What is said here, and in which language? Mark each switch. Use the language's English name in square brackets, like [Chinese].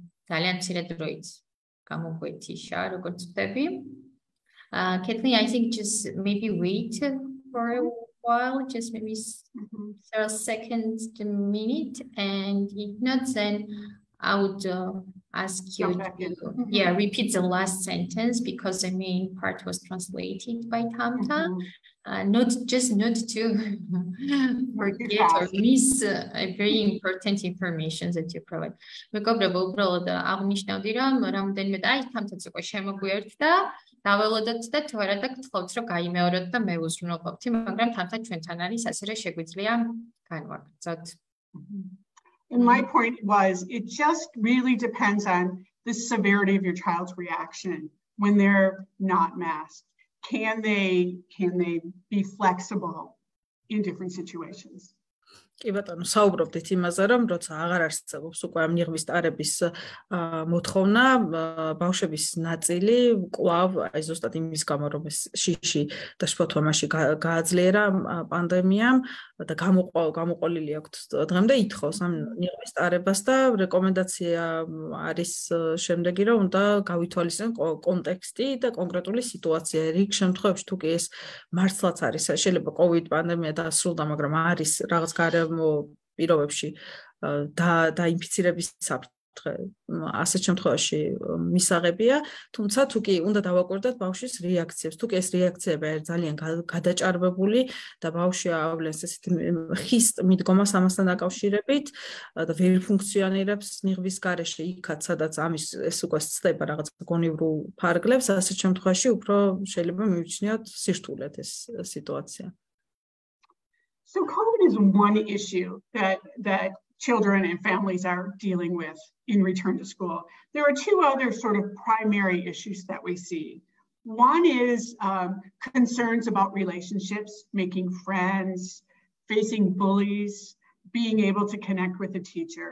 [Georgian] zalyan tsiredroit gamogvetisha rogorc tebi [English] Kathleen, I think just maybe wait for a while, just maybe several seconds to minute, and if not, then I would ask you to repeat the last sentence because the main part was translated by Tamta. Not to forget or miss a very important information that you provide. [Georgian] მეგობრებო, უბრალოდ აღნიშნავდი, რომ რამდენიმე აი თამთაც უკვე შემოგვიერთდა, დაველოდოთ და თუ არა დაგთხოვთ, რომ გაიმეოროთ და მე უზრუნველყოფთ, მაგრამ თამთა ჩვენთან არის, ასე რომ შეგვიძლია განვაგრძოთ. [English] And my point was, it just really depends on the severity of your child's reaction when they're not masked. Can they be flexible in different situations? [Georgian] კი ბატონო, საუბრობთ იმაზე, რომ როცა აღარ არსებობს უკვე ამ ნიღბის დარების მოთხოვნა, ბავშვების ნაწილი კვლავ, აი ზუსტად იმის გამო, რომ ეს შიში და შფოთვა მასში გააძლიერა პანდემიამ და გამოყოლილი აქვთ დღემდე ითხოვს ამ ნიღბის დარებას და რეკომენდაცია არის შემდეგი, რომ უნდა გავითვალისწინონ კონტექსტი და კონკრეტული სიტუაცია. რიგ შემთხვევაში თუ კი ეს მართლაც არის, შეიძლება COVID პანდემია დასრულდა, მაგრამ არის რაღაც გარემო პირობებში და ინფიცირების საფრთხე, ასეთ შემთხვევაში მისაღებია, თუმცა თუ კი უნდა დავაკვირდოთ ბავშვის რეაქციებს, თუ კი ეს რეაქციები არ ძალიან გადაჭარბებული და ბავშვი ავლენს ესეთ ხის მიდგომას ამასთან დაკავშირებით და ვერ ფუნქციონირებს ნიღბის გარეშე, იქაც სადაც ამის ეს უკვე ცდება რაღაც გონივრულ ფარგლებს, ასეთ შემთხვევაში უფრო შეიძლება მივიჩნიოთ სიშთულეთ ეს სიტუაცია. [English] So COVID is one issue that children and families are dealing with in return to school. There are two other sort of primary issues that we see. One is concerns about relationships, making friends, facing bullies, being able to connect with a teacher.